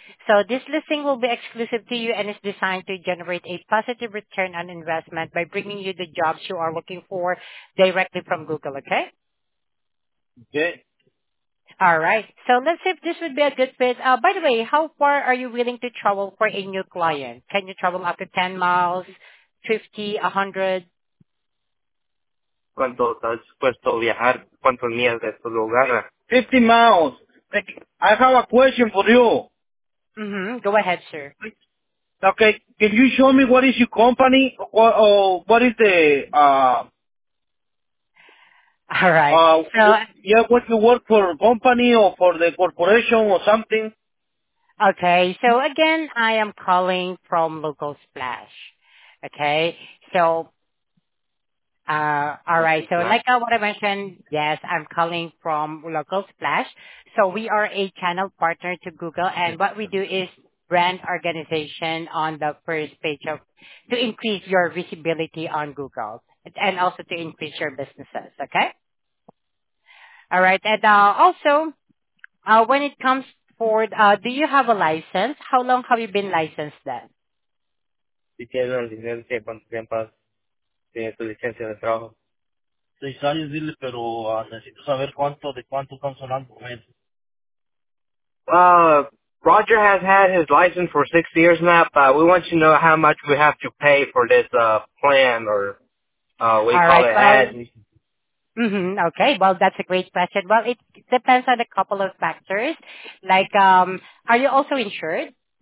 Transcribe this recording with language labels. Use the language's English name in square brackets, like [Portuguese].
[English] So this listing will be exclusive to you and is designed to generate a positive return on investment by bringing you the jobs you are looking for directly from Google, okay? Okay. All right. So let's see if this would be a good fit. By the way, how far are you willing to travel for a new client? Can you travel up to 10 miles, 50, 100? [Spanish] ¿Cuánto estás dispuesto a viajar? ¿Cuántos millas de tu lugar? [English] 50 miles. I have a question for you. Go ahead, sir. Okay, can you show me what is your company? Or what is the All right. So, yeah, what you work for a company or for the corporation or something? okay. So again, I am calling from Local Splash. Okay. So, all right. So Splash. like what I mentioned, yes, I'm calling from Local Splash. So we are a channel partner to Google, and what we do is brand organization on the first page of to increase your visibility on Google and also to increase your businesses, okay? All right, and also when it comes forward, do you have a license? How long have you been licensed then? [Spanish] Si tiene una licencia, ¿cuánto tiempo tiene su licencia de trabajo? 6 años, dile, pero necesito saber cuánto, de cuánto están sonando. [English] Roger has had his license for 6 years now, but we want you to know how much we have to pay for this plan, or we All call it right, well, ad. okay, well, that's a great question. Well, it depends on a couple of factors. Like, are you also insured?